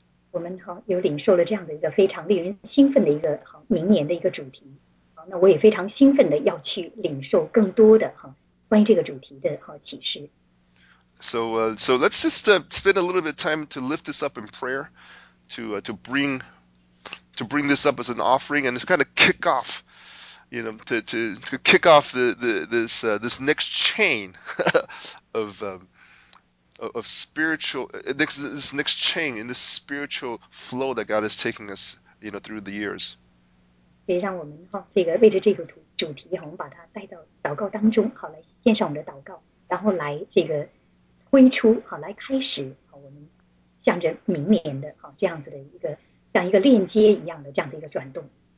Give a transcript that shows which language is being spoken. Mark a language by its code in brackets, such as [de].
[zh] 我们有领受了这样的一个非常令人兴奋的一个明年的一个主题，那我也非常兴奋的要去领受更多的关于这个主题的启示。 [en] So let's just spend a little bit of time to lift this up in prayer, to bring this up as an offering, and to kind of kick off, you know, to kick off this next chain of spiritual, this next chain in this spiritual flow that God is taking us, you know, through the years. [zh] 所以让我们这个为着这个主题我们把它带到祷告当中，好，来献上我们的祷告，然后来这个推出，好，来开始，好，我们向着明年的这样子的一个像一个链接一样的这样的一个转动。